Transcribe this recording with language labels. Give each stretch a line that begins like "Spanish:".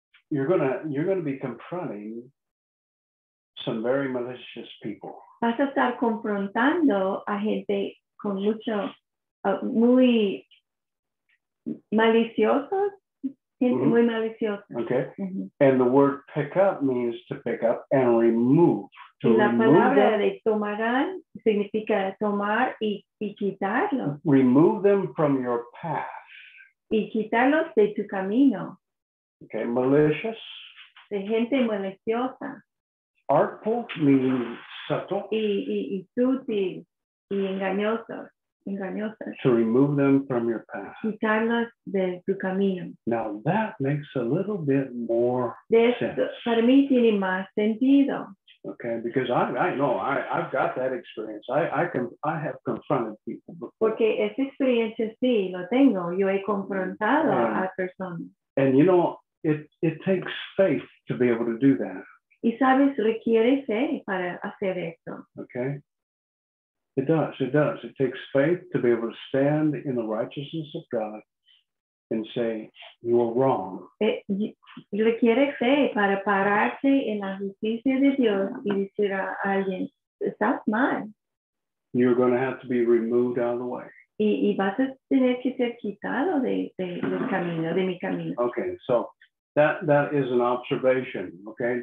English: You're gonna be confronting some very malicious people.
Spanish: Vas a estar confrontando a gente con mucho, muy maliciosos, gente mm-hmm. muy maliciosa.
English: Okay. Mm-hmm. And the word pick up means to pick up and remove. To
Spanish: y la
English: remove
Spanish: palabra
English: them,
Spanish: de tomarán significa tomar y quitarlo.
English: Remove them from your path.
Spanish: Y quitarlos de tu camino.
English: Okay, malicious.
Spanish: De gente maliciosa.
English: Artful, meaning subtle.
Spanish: Y sutil. Y engañoso.
English: To remove them from your path.
Spanish: Quitarlos de tu camino.
English: Now that makes a little bit more sense.
Spanish: Para mí tiene más sentido.
English: Okay, because I know I've got that experience. I have confronted people before.
Spanish: Porque esa experiencia sí lo tengo. Yo he confrontado a personas.
English: And you know, it takes faith to be able to do that.
Spanish: Y sabes, requiere fe para hacer esto.
English: Okay. It does. It takes faith to be able to stand in the righteousness of God and say, you are wrong.
Spanish: Requiere fe para pararse en la justicia de Dios y decir a alguien, estás mal.
English: You're going to have to be removed out of the way.
Spanish: Y vas a tener que ser quitado del camino, de mi camino.
English: Okay, so that is an observation, okay?